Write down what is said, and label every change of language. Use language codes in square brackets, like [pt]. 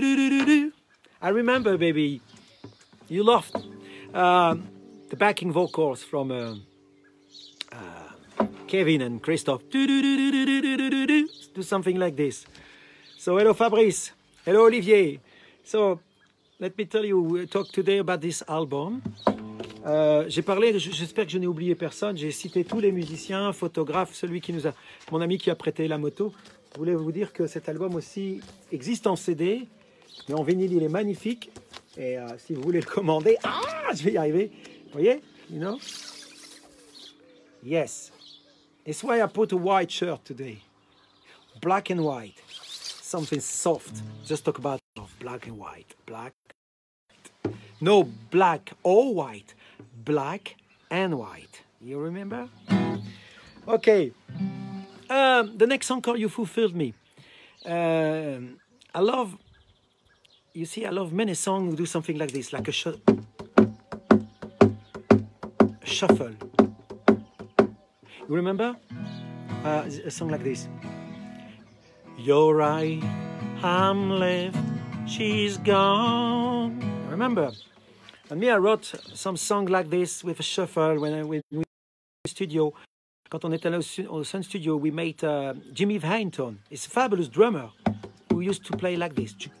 [en] I remember, baby, you loved the backing vocals from Kevin and Christoph. Do something like this. So hello, Fabrice. Hello, Olivier. So let me tell you, we'll talk today about this album. [fr] J'ai parlé, j'espère que je n'ai oublié personne, j'ai cité tous les musiciens, photographes, celui qui nous a, mon ami qui a prêté la moto. Je voulais vous dire que cet album aussi existe en CD, mais en vinyle il est magnifique. Et si vous voulez le commander, ah, je vais y arriver. Vous voyez, [en] you know? Yes, it's why I put a white shirt today. Black and white, something soft. Just talk about black and white. Black, no, black or white. Black and white. You remember? Okay. The next song called You Fulfilled Me. I love... You see, I love many songs who do something like this, like a shuffle. You remember? A song like this. You're right, I'm left, she's gone. Remember? And me, I wrote some song like this with a shuffle when I was in the studio. [fr] Quand on était au Sun Studio, [en] we met [fr] Jimmy Vainton. [en] He's a fabulous drummer who used to play like this.